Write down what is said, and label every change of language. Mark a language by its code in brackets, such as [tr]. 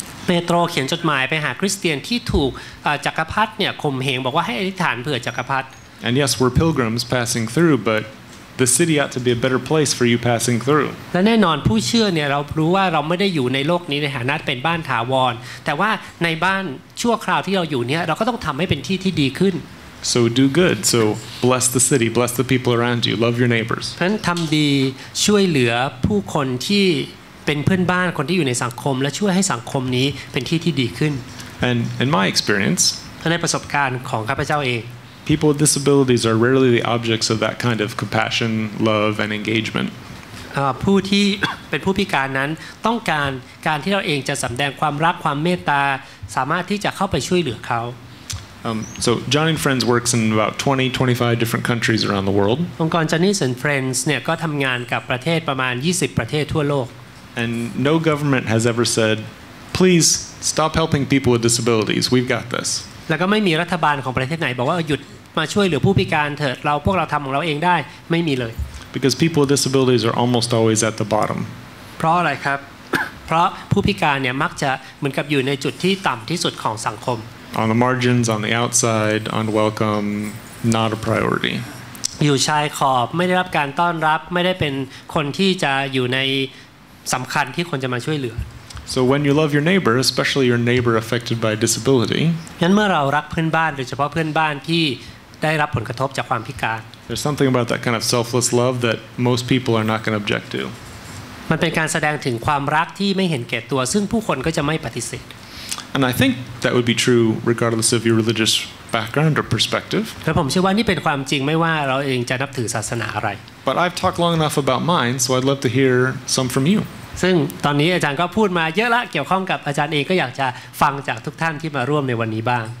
[th] Pedro เขียนจดหมายไปหาคริสเตียนที่ถูกจักรพรรดิเนี่ยข่มเหงบอกว่าให้อธิษฐานเผื่อจักรพรรดิ [en] And yes, we're pilgrims passing through, but the city ought to be a better place for you passing through. [th] และแน่นอนผู้เชื่อเนี่ยเรารู้ว่าเราไม่ได้อยู่ในโลกนี้ในฐานะเป็นบ้านถาวรแต่ว่าในบ้านชั่วคราวที่เราอยู่เนี่ยเราก็ต้องทำให้เป็นที่ที่ดีขึ้น [en] So do good. So bless the city. Bless the people around you. Love your neighbors. [th] เพราะฉะนั้นทำดีช่วยเหลือผู้คนที่เป็นเพื่อนบ้านคนที่อยู่ในสังคมและช่วยให้สังคมนี้เป็นที่ที่ดีขึ้น [en] And in my experience, [th] ในประสบการณ์ของข้าพเจ้าเอง [en] people with disabilities are rarely the objects of that kind of compassion, love, and engagement. [th] ผู้ที่เป็นผู้พิการนั้นต้องการการที่เราเองจะสำแดงความรักความเมตตาสามารถที่จะเข้าไปช่วยเหลือเขา [en] So John and Friends works in about 20-25 different countries around the world. [th] องค์กร John and Friends เนี่ยก็ทำงานกับประเทศประมาณ20ประเทศทั่วโลก [en] And no government has ever said, please stop helping people with disabilities. We've got this. [th] แล้วก็ไม่มีรัฐบาลของประเทศไหนบอกว่าหยุดมาช่วยเหลือผู้พิการเถิดเราพวกเราทำของเราเองได้ไม่มีเลย [en] Because people with disabilities are almost always at the bottom. [th] เพราะอะไรครับเพราะผู้พิการเนี่ยมักจะเหมือนกับอยู่ในจุดที่ต่ำที่สุดของสังคม [en] On the margins, on the outside, unwelcome, not a priority. [th] อยู่ชายขอบไม่ได้รับการต้อนรับไม่ได้เป็นคนที่จะอยู่ในสำคัญที่คนจะมาช่วยเหลือ [en] So when you love your neighbor, especially your neighbor affected by disability. [th] งั้นเมื่อเรารักเพื่อนบ้านโดยเฉพาะเพื่อนบ้านที่ได้รับผลกระทบจากความพิการ [en] There's something about that kind of selfless love that most people are not going to object to. [th] มันเป็นการแสดงถึงความรักที่ไม่เห็นแก่ตัวซึ่งผู้คนก็จะไม่ปฏิเสธ [en] And I think that would be true regardless of your religious background or perspective. [th] แต่ผมเชื่อว่านี่เป็นความจริงไม่ว่าเราเองจะนับถือศาสนาอะไร [en] But I've talked long enough about mine, so I'd love to hear some from you. [th] ซึ่งตอนนี้อาจารย์ก็พูดมาเยอะละเกี่ยวข้องกับอาจารย์เองก็อยากจะฟังจากทุกท่านที่มาร่วมในวันนี้บ้าง